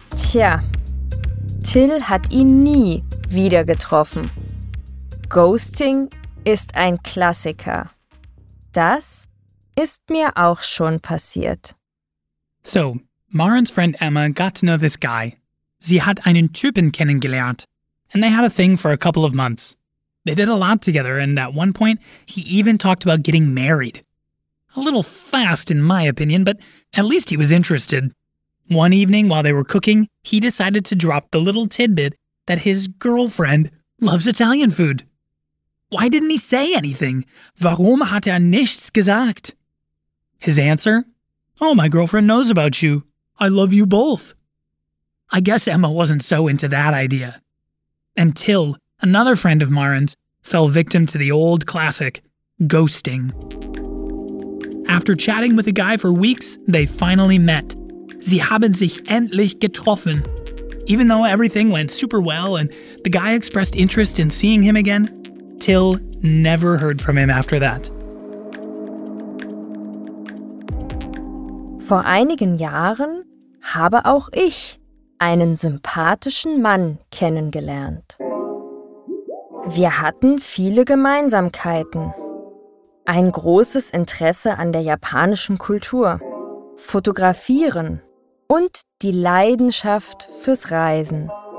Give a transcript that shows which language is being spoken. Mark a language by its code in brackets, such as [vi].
[de] Tja, Till hat ihn nie wieder getroffen. Ghosting ist ein Klassiker. Das ist mir auch schon passiert. [en] So, Maren's friend Emma got to know this guy. [de] Sie hat einen Typen kennengelernt. [en] And they had a thing for a couple of months. They did a lot together, and at one point, he even talked about getting married. A little fast, in my opinion, but at least he was interested. One evening, while they were cooking, he decided to drop the little tidbit that his girlfriend loves Italian food. Why didn't he say anything? Warum hat nichts gesagt? His answer? Oh, my girlfriend knows about you. I love you both. I guess Emma wasn't so into that idea. And Till, another friend of Maren's, fell victim to the old classic, ghosting. After chatting with a guy for weeks, they finally met. Sie haben sich endlich getroffen. Even though everything went super well and the guy expressed interest in seeing him again, Till never heard from him after that. [de] Vor einigen Jahren habe auch ich einen sympathischen Mann kennengelernt. Wir hatten viele Gemeinsamkeiten. Ein großes Interesse an der japanischen Kultur, Fotografieren und die Leidenschaft fürs Reisen.